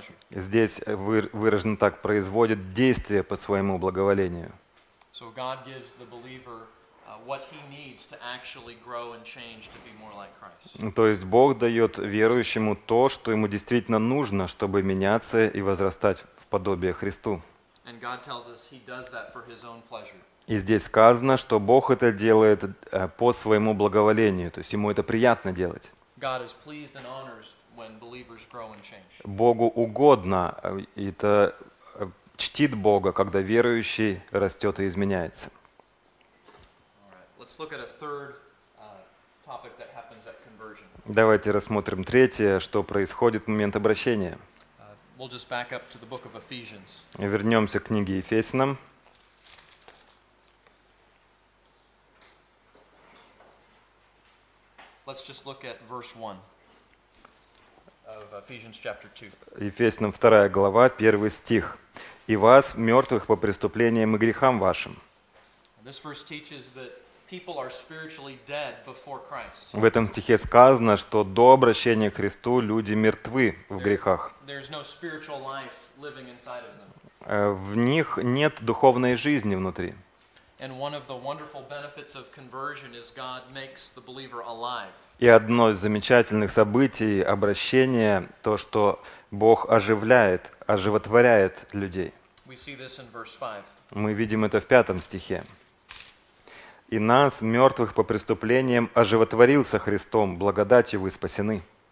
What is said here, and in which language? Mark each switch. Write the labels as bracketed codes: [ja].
[ru] Здесь выражено так, производит действие по своему благоволению. [en] So God gives the believer what he needs to actually grow and change to be more like Christ. [ru] То есть Бог дает верующему то, что ему действительно нужно, чтобы меняться и возрастать в подобие Христу. [en] And God tells us he does that for his own pleasure. [ru] И здесь сказано, что Бог это делает по своему благоволению, то есть ему это приятно делать. [en] God is pleased and honors when believers grow and change. [ru] Богу угодно, это чтит Бога, когда верующий растет и изменяется. [en] All right. Let's look at a third topic that happens at conversion. [ru] Давайте рассмотрим третье, что происходит в момент обращения. [en] We'll just back up to the book of Ephesians. [ru] Вернемся к книге Ефесянам. [en] Let's just look at verse 1. of Ephesians chapter 2. [ru] Ефесянам 2 глава, 1 стих. «И вас, мертвых по преступлениям и грехам вашим». [en] This verse teaches that people are spiritually dead before Christ. [ru] В этом стихе сказано, что до обращения к Христу люди мертвы в грехах. [en] There's no spiritual life living inside of them. [ru] В них нет духовной жизни внутри. [en] And one of the wonderful benefits of conversion is God makes the believer alive. [ru] И одно из замечательных событий обращения то, что Бог оживляет, оживотворяет людей. [en] We see this in verse 5. [ru] Мы видим это в 5 стихе. «И нас, мертвых по преступлениям, оживотворил со Христом, благодатью вы спасены».